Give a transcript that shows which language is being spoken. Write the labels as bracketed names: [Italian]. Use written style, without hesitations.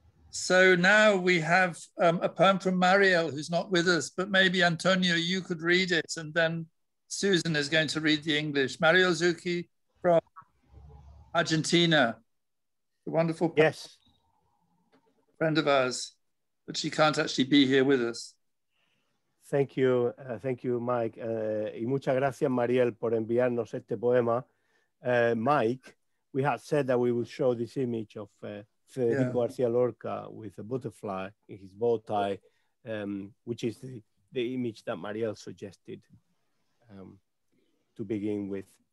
[English] So now we have a poem from Mariel, who's not with us, but maybe Antonio, you could read it, and then Susan is going to read the English. Mariel Zucchi from Argentina. A wonderful poem. Yes. Friend of ours, but she can't actually be here with us. Thank you, Mike. [Spanish] Y muchas gracias, Mariel, por enviarnos este poema. [English] Mike, we had said that we would show this image of Federico García Lorca with a butterfly in his bow tie, which is the image that Mariel suggested to begin with.